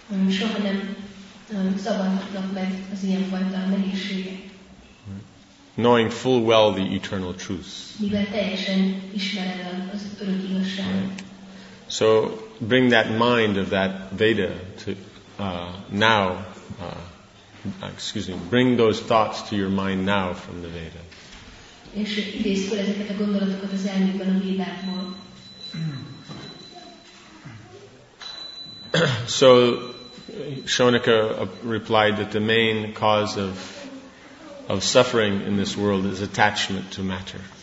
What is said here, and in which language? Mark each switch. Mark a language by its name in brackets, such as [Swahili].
[Hungarian] Soha nem szabadnak meg az ilyen fajta mennyiségek. [English] Knowing full well the eternal truth. [Hungarian] Mivel teljesen ismered az örök igazságot. [English] So bring that mind of that Veda to bring those thoughts to your mind now from the Veda. [Hungarian] És idézz fel ezeket a gondolatokat az elmékben a Védákból. [English] So Shonaka replied that the main cause of suffering in this world is attachment to matter.